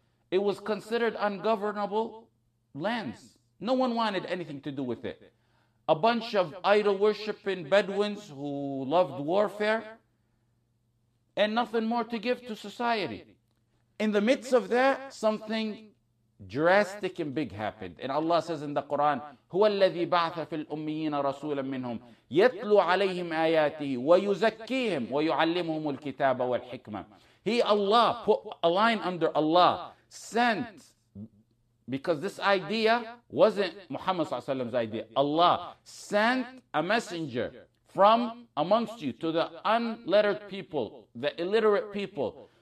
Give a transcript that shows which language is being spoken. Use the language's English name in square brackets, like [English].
[English] It was considered ungovernable lands. No one wanted anything to do with it. A bunch of idol-worshipping Bedouins who loved warfare and nothing more to give to society. In the midst of that, something drastic and big happened. And Allah says in the Quran, [Arabic] هُوَ الَّذِي بَعْثَ فِي الْأُمِّيِّينَ رَسُولًا مِّنْهُمْ يَتْلُوا عَلَيْهِمْ آيَاتِهِ وَيُزَكِّيهِمْ وَيُعَلِّمُهُمُ الْكِتَابَ وَالْحِكْمَةِ. [English] He, Allah, put a line under Allah, sent, because this idea wasn't Muhammad sallallahu alaihi wasallam's idea. Allah sent a messenger from amongst you to the unlettered people, the illiterate people.